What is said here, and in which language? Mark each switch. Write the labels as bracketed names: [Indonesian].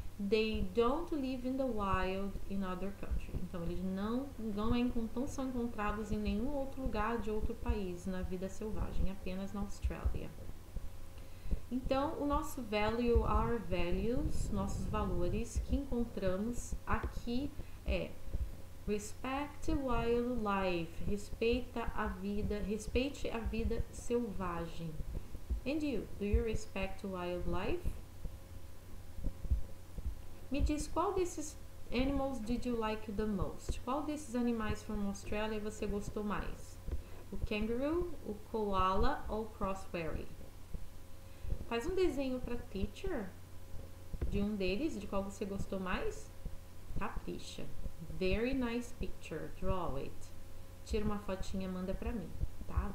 [English] They don't live in the wild in other countries. [Portuguese] Então, eles não são encontrados em nenhum outro lugar de outro país na vida selvagem, apenas na Austrália. Então, o nosso value, [English] our values, [Portuguese] nossos valores que encontramos aqui é [English] respect wildlife, [Portuguese] respeite a vida selvagem. [English] And you, do you respect wildlife? [Portuguese] Me diz, qual desses [English] animals did you like the most? [Portuguese] Qual desses animais [English] from Australia [Portuguese] você gostou mais? O kangaroo, o koala ou o crossberry? Faz um desenho para teacher de um deles, de qual você gostou mais. Capricha. [English] Very nice picture. Draw it. [Portuguese] Tira uma fotinha e manda para mim, tá?